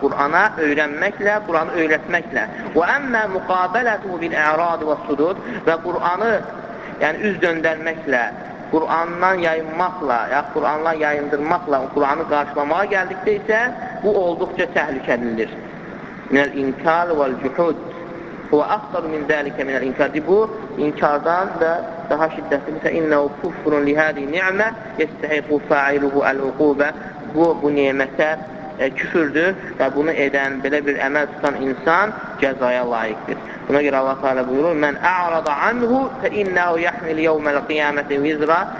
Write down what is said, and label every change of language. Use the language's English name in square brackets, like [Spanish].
[Azerbaijani] Qur'ana öyrənməklə, Qur'anı öyrətməklə. Və [Arabic] əmmə müqabələtuhu bil əraad və sudud [Azerbaijani] və Qur'anı yəni üz döndərməklə, Qur'andan yayınmaqla, ya Qur'anla yayındırmaqla Qur'anı qarşılamağa gəldikdə isə bu olduqca təhlükəlidir. [Arabic] Minəl inkar və cuhud. Və axtar min dəlikə minəl inkar. [Azerbaijani] Bu, inkardan da daha şiddətlidir. [Arabic] İnnəu kufrun lihədi ni'mə yəstəhiqü fa'iluhu əl-uqubə. [Azerbaijani] Bu nimətə küfürdür və bunu edən, belə bir əməl tutan insan cəzaya layiqdir. Buna görə Allah Teala buyurur, [Arabic] mən əğrada anhu fə innəu yəhmil yəvməl qiyaməti vizrə.